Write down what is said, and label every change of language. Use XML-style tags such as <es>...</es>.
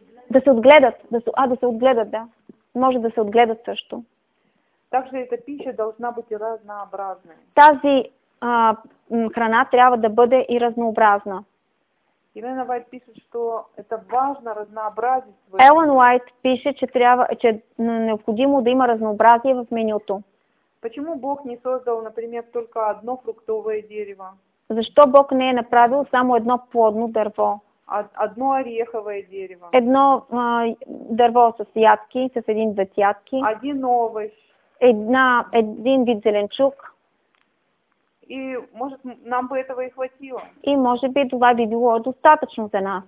<bg>да се отгледат, да се отгледат, да. Може да се отгледат също.</bg> <ru>Также эта пища должна быть разнообразной.</ru> <bg>Тази храна трябва да бъде и разнообразна.</bg> <ru>Елена Уайт пишет, что это важно разнообразить свой.</ru> <bg>Елен Уайт</bg> <ru>пишет, что</ru> <bg>трябва, че необходимо да има разнообразие в менюто.</bg> <ru>Почему Бог не создал, например, только одно фруктовое дерево?</ru> <bg>Защо Бог не е направил само едно плодно дърво?</bg> <ru>Одно ореховое дерево.</ru> <bg>Едно дърво с ядки, с един вид ядки.</bg> <ru>Один овощ.</ru> <bg>Един вид зеленчук.</bg> <ru>И может нам бы этого и хватило.</ru> <bg>И</bg> <ru>может быть,</ru> <bg>това би било достатъчно за нас.</bg>